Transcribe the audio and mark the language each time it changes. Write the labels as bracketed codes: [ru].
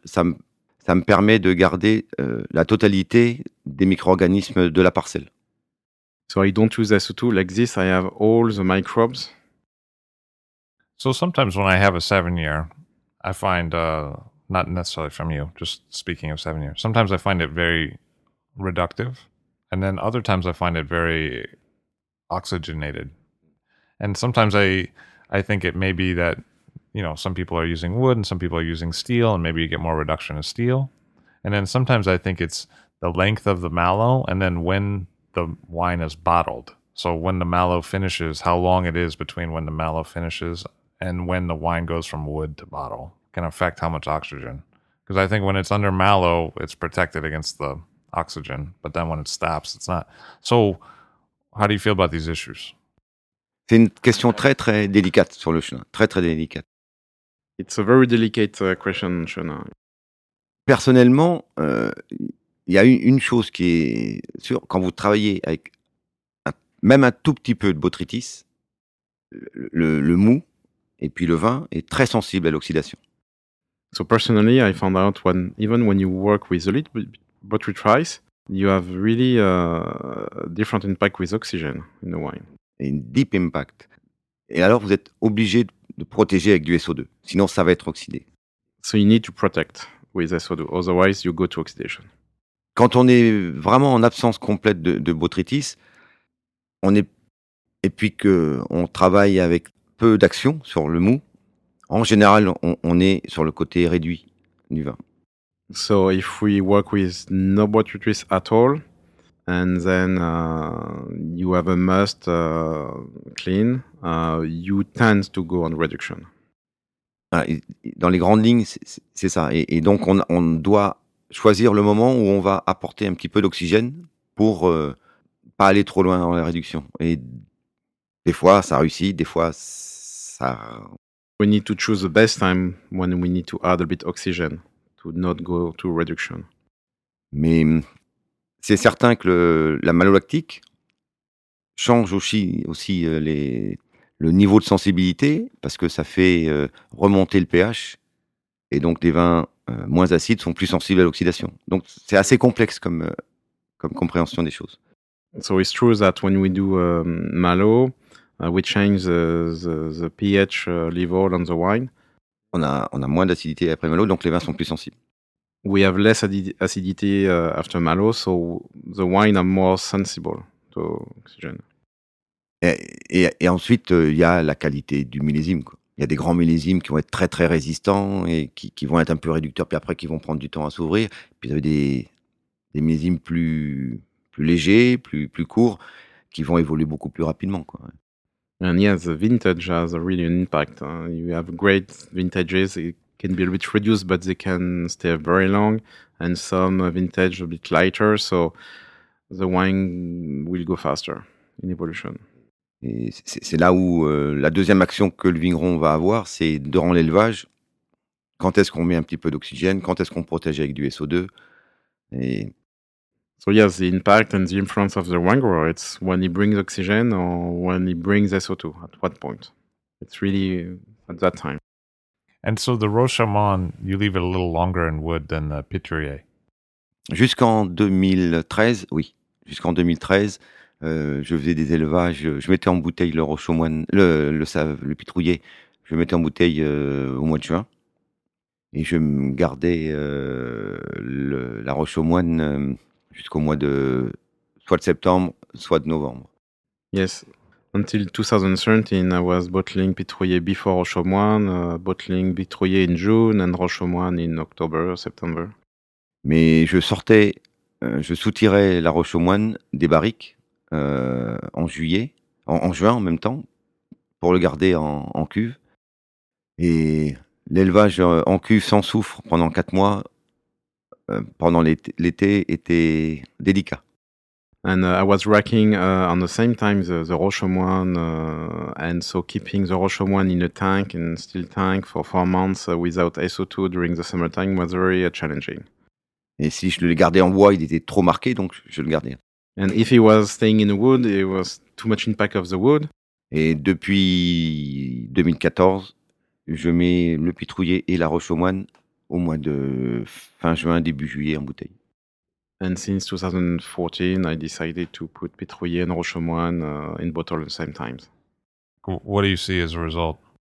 [fr] Ça me permet de garder la totalité des micro-organismes de la parcelle. [en] So I don't use SO2 like this. I have all the microbes. So sometimes when I have a 7-year, I find, not necessarily from you, just speaking of 7-year, sometimes I find it very reductive, and then other times I find it very oxygenated. And sometimes I think it may be that, you know, some people are using wood and some people are using steel, and maybe you get more reduction of steel. And then sometimes I think it's the length of the mallow and then when the wine is bottled. So when the mallow finishes, how long it is between when the mallow finishes and when the wine goes from wood to bottle can affect how much oxygen. Because I think when it's under mallow, it's protected against the oxygen. But then when it stops, it's not. So how do you feel about these issues? [fr] C'est une question très, très délicate sur le chenin. Très, très délicate. [en] It's a very delicate question, chenin. [fr] Personnellement, il y a une chose qui est sûre. Quand vous travaillez avec même un tout petit peu de botrytis, le mou et puis le vin est très sensible à l'oxydation. [en] So personally, I found out when even when you work with a little botrytis, you have really a different impact with oxygen in the wine. [fr] Et une [en] deep impact. [fr] Et alors, vous êtes obligé de protéger avec du SO2. Sinon, ça va être oxydé. [en] So you need to protect with SO2. Otherwise, you go to oxidation. [fr] Quand on est vraiment en absence complète de botrytis, et puis qu'on travaille avec peu d'action sur le mou, en général, on est sur le côté réduit du vin. [en] So if we work with no botrytis at all, and then you have a must clean, you tend to go on reduction. [fr] Dans les grandes lignes, c'est ça. Et donc, on doit choisir le moment où on va apporter un petit peu d'oxygène pour pas aller trop loin dans la réduction et des fois ça réussit, des fois ça. [en] We need to choose the best time when we need to add a bit oxygen to not go to reduction. [fr] Mais c'est certain que la malolactique change aussi le niveau de sensibilité parce que ça fait remonter le pH et donc des vins moins acides sont plus sensibles à l'oxydation. Donc c'est assez complexe comme compréhension des choses. [en] So it's true that when we do malo, we change the pH level on the wine. [fr] On a moins d'acidité après malo, donc les vins sont plus sensibles. [en] We have less acidity after malo, so the wine are more sensible to oxygen. [fr] Et ensuite, il y a la qualité du millésime. Il y a des grands millésimes qui vont être très très résistants et qui vont être un peu réducteurs, puis après qui vont prendre du temps à s'ouvrir. Puis vous avez des millésimes plus légers, plus courts, qui vont évoluer beaucoup plus rapidement. [en] And yes, the vintage has really an impact. You have great vintages. It can be a bit reduced, but they can stay very long. And some vintage a bit lighter, so the wine will go faster in evolution. [fr] Et c'est là où la deuxième action que le vigneron va avoir, c'est durant l'élevage, quand est-ce qu'on met un petit peu d'oxygène, quand est-ce qu'on protège avec du SO2. Et... [en] So yes, the impact and the influence of the wine grower, it's when he brings oxygen or when he brings SO2, at what point. It's really at that time. And so the Rochamont, you leave it a little longer in wood than the Pitrier. [fr] Jusqu'en 2013, oui, jusqu'en 2013, je faisais des élevages, je mettais en bouteille le Rochamont, le Pitrouiller, je mettais en bouteille au mois de juin, et je gardais la Rochamont jusqu'au mois de, soit de septembre, soit de novembre. [en] Yes, until 2013, I was bottling Pitrouiller before Rochamont, bottling Pitrouiller in June, and Rochamont in October, September. [fr] Mais je soutirais la Rochamont des barriques, en juin en même temps pour le garder en cuve, et l'élevage en cuve sans soufre pendant 4 mois pendant l'été était délicat. [en] And I was racking on the same time the Rochamont and so keeping the Rochamont in a tank and still tank for 4 months without SO2 during the summertime was very challenging. [fr] Et si je le gardais en bois, il était trop marqué, donc je le gardais. [en] And if he was staying in the wood, it was too much impact of the wood. [fr] Et depuis 2014, je mets le Pitrouiller et la Rochamont au mois de fin juin, début juillet en bouteille. [en] And since 2014, I decided to put Pitrouiller and Rochamont in bottle at the same time. What do you see as a result?